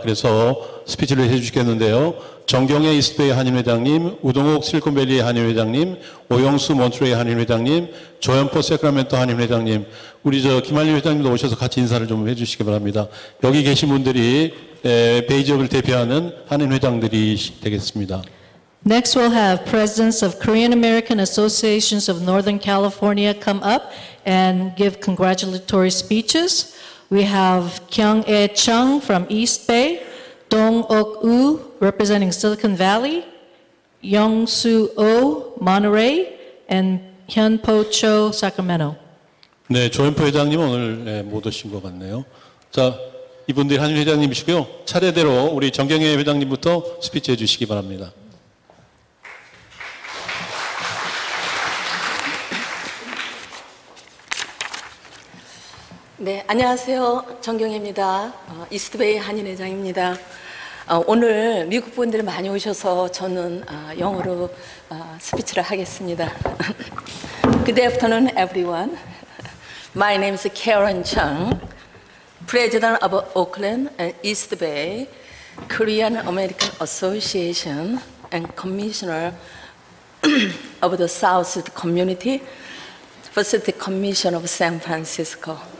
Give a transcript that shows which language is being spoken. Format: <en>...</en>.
<ko>그래서 스피치를 해주시겠는데요. 정경의 이스트베이 한인회장님, 우동옥 실리콘밸리 한인회장님, 오영수 몬트레이 한인회장님, 조연포 세크라멘토 한인회장님, 우리 저 김한림 회장님도 오셔서 같이 인사를 좀 해주시기 바랍니다. 여기 계신 분들이 베이 지역을 대표하는 한인회장들이 되겠습니다.</ko> <en>Next, we'll have presidents of Korean American Associations of Northern California come up and give congratulatory speeches. We have Kyung E Chung from East Bay, Dong Ok U representing Silicon Valley, Young Soo Oh Monterey, and Hyun Po Cho Sacramento.</en> <ko>네, 조현포 회장님 오늘 못 오신 것 같네요. 자, 이분들 한 회장님이시고요. 차례대로 우리 정경혜 회장님부터 스피치해 주시기 바랍니다. (웃음) 네, 안녕하세요. 정경혜입니다. 이스트베이 한인회장입니다. 오늘 미국 분들 많이 오셔서 저는 영어로 스피치를 하겠습니다.</ko> <en>Good afternoon, everyone. My name is Karen Chung, President of Oakland and East Bay Korean American Association and Commissioner of the South Community, Pacific Commission of San Francisco.</en>